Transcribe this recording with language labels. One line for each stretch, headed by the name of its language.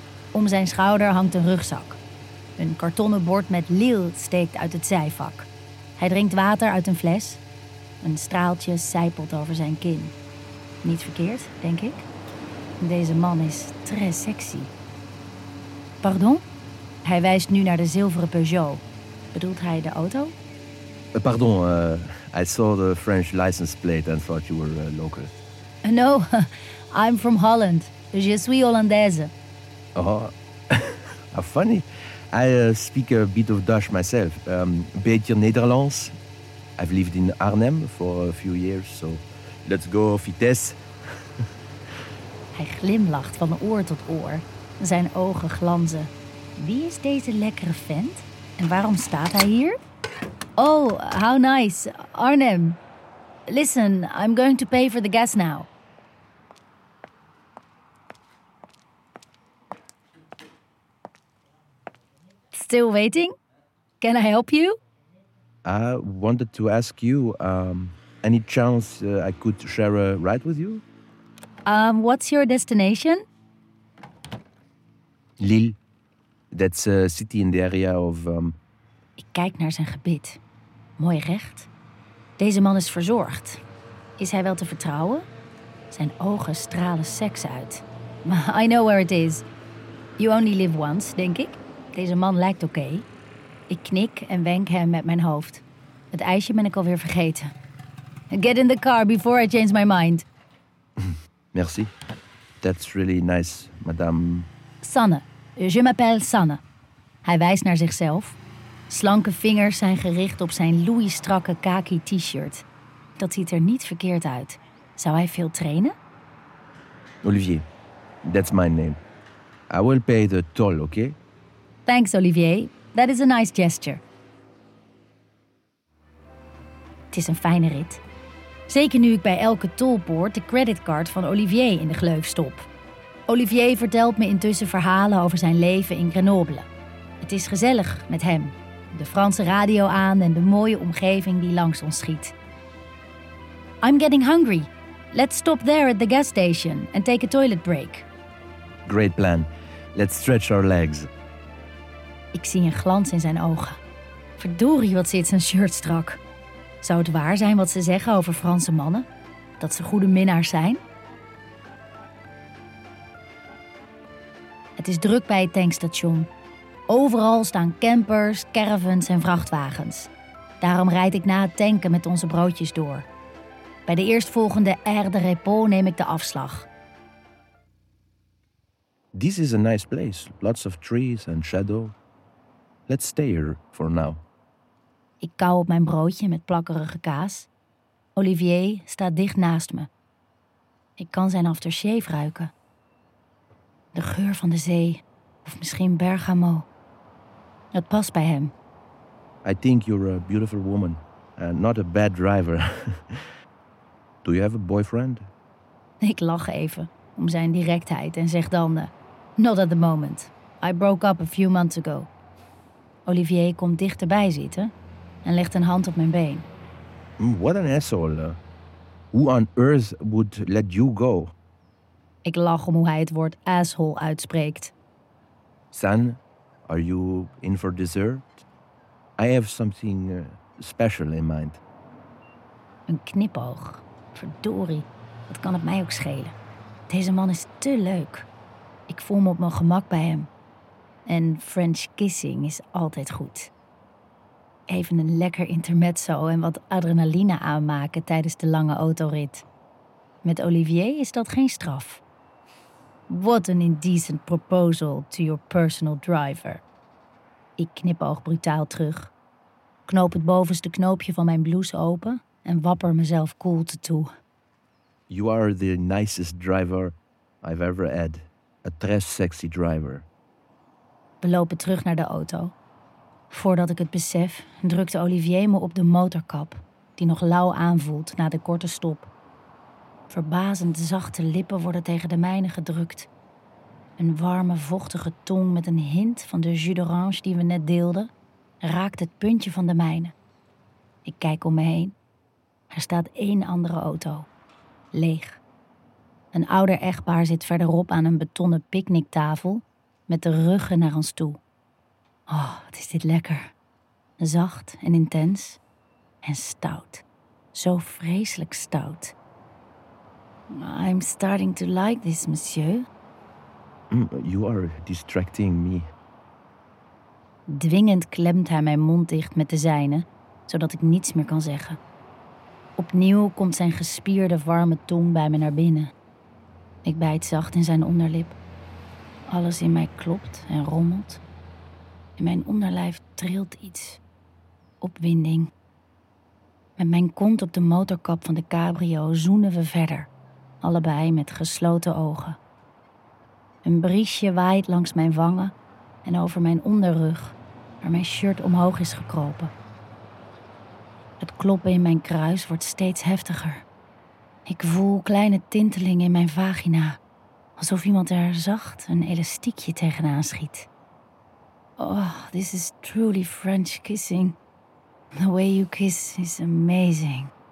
Dutch: Om zijn schouder hangt een rugzak. Een kartonnen bord met Lille steekt uit het zijvak. Hij drinkt water uit een fles. Een straaltje sijpelt over zijn kin. Niet verkeerd, denk ik. Deze man is très sexy. Pardon? Hij wijst nu naar de zilveren Peugeot. Bedoelt hij de auto?
English: Pardon, I saw the French license plate and thought you were local. No, I'm from Holland.
French: Je suis Hollandaise.
English: Oh, how funny. I speak a bit of Dutch myself.
Dutch: Beetje Nederlands.
English: I've lived in Arnhem for a few years, so let's go Vitesse.
Dutch: Hij glimlacht van oor tot oor. Zijn ogen glanzen. Wie is deze lekkere vent? En waarom staat hij hier?
English: Oh, how nice. Arnhem. Listen, I'm going to pay for the gas now. Still waiting? Can I help you? I wanted to ask you, any chance I could share a ride with you? What's your destination? Lille. That's a city in the area of...
Dutch: Ik kijk naar zijn gebit. Mooi recht. Deze man is verzorgd. Is hij wel te vertrouwen? Zijn ogen stralen seks uit.
English: I know where it is. You only live once,
Dutch: denk ik. Deze man lijkt oké. Ik knik en wenk hem met mijn hoofd. Het ijsje ben ik alweer vergeten.
English: Get in the car before I change my mind.
French: Merci.
English: That's really nice, madame.
French: Sanne. Je m'appelle Sanne.
Dutch: Hij wijst naar zichzelf. Slanke vingers zijn gericht op zijn loeistrakke kaki t-shirt. Dat ziet er niet verkeerd uit. Zou hij veel trainen?
English: Olivier, that's my name. I will pay the toll, okay? Thanks, Olivier. That is a nice gesture.
Dutch: Het is een fijne rit. Zeker nu ik bij elke tolpoort de creditcard van Olivier in de gleuf stop. Olivier vertelt me intussen verhalen over zijn leven in Grenoble. Het is gezellig met hem. De Franse radio aan en de mooie omgeving die langs ons schiet.
English: I'm getting hungry. Let's stop there at the gas station and take a toilet break. Great plan. Let's stretch our legs.
Dutch: Ik zie een glans in zijn ogen. Verdorie, wat zit zijn shirt strak. Zou het waar zijn wat ze zeggen over Franse mannen? Dat ze goede minnaars zijn? Het is druk bij het tankstation. Overal staan campers, caravans en vrachtwagens. Daarom rijd ik na het tanken met onze broodjes door. Bij de eerstvolgende Air de Repos neem ik de afslag.
English: This is a nice place. Lots of trees and shadow. Let's stay here for now.
Dutch: Ik kauw op mijn broodje met plakkerige kaas. Olivier staat dicht naast me. Ik kan zijn aftershave ruiken. De geur van de zee. Of misschien Bergamo. Dat past bij hem.
English: I think you're a beautiful woman. And not a bad driver. Do you have a boyfriend?
Dutch: Ik lach even om zijn directheid en zeg dan...
English: Not at the moment. I broke up a few months ago.
Dutch: Olivier komt dichterbij zitten en legt een hand op mijn been.
English: What an asshole. Who on earth would let you go?
Dutch: Ik lach om hoe hij het woord asshole uitspreekt.
English: Son, are you in for dessert? I have something special in mind.
Dutch: Een knipoog. Verdorie, wat kan het mij ook schelen. Deze man is te leuk. Ik voel me op mijn gemak bij hem. En French kissing is altijd goed. Even een lekker intermezzo en wat adrenaline aanmaken tijdens de lange autorit. Met Olivier is dat geen straf.
English: What an indecent proposal to your personal driver.
Dutch: Ik knipoog brutaal terug. Knoop het bovenste knoopje van mijn blouse open en wapper mezelf koelte toe.
English: You are the nicest driver I've ever had. A très sexy driver.
Dutch: We lopen terug naar de auto. Voordat ik het besef, drukte Olivier me op de motorkap, die nog lauw aanvoelt na de korte stop. Verbazend zachte lippen worden tegen de mijne gedrukt. Een warme, vochtige tong met een hint van de jus d'orange die we net deelden, raakt het puntje van de mijne. Ik kijk om me heen. Er staat één andere auto. Leeg. Een ouder echtpaar zit verderop aan een betonnen picknicktafel, met de ruggen naar ons toe. Oh, wat is dit lekker. Zacht en intens. En stout. Zo vreselijk stout.
English: I'm starting to like this, monsieur. You are distracting me.
Dutch: Dwingend klemt hij mijn mond dicht met de zijne, zodat ik niets meer kan zeggen. Opnieuw komt zijn gespierde warme tong bij me naar binnen. Ik bijt zacht in zijn onderlip. Alles in mij klopt en rommelt. In mijn onderlijf trilt iets. Opwinding. Met mijn kont op de motorkap van de cabrio zoenen we verder. Allebei met gesloten ogen. Een briesje waait langs mijn wangen en over mijn onderrug, waar mijn shirt omhoog is gekropen. Het kloppen in mijn kruis wordt steeds heftiger. Ik voel kleine tintelingen in mijn vagina. Alsof iemand er zacht een elastiekje tegenaan schiet.
English: Oh, this is truly French kissing. The way you kiss is amazing.